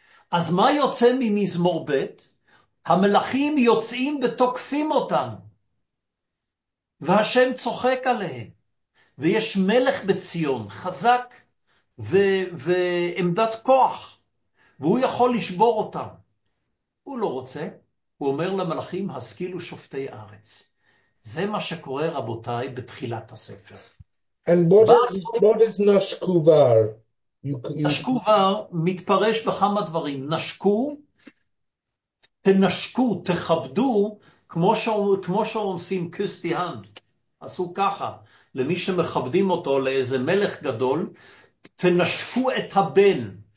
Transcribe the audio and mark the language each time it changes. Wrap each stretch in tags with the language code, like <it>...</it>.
<he>אז מה יוצא ממזמור ב'? המלאכים יוצאים ותוקפים אותם, והשם צוחק עליהם, ויש מלך בציון חזק ועמדת כוח, והוא יכול לשבור אותם. הוא לא רוצה, הוא אומר למלאכים, השכילו שופטי ארץ. זה מה שקורה, רבותיי, בתחילת הספר.</he> <en>And what is נשקובר?</en> <he>נשקובר מתפרש בכמה דברים. נשקו, תנשקו, תכבדו, כמו שעושים קוסטי הנד. עשו ככה, למי שמכבדים אותו, לאיזה מלך גדול, תנשקו את הבן.</he>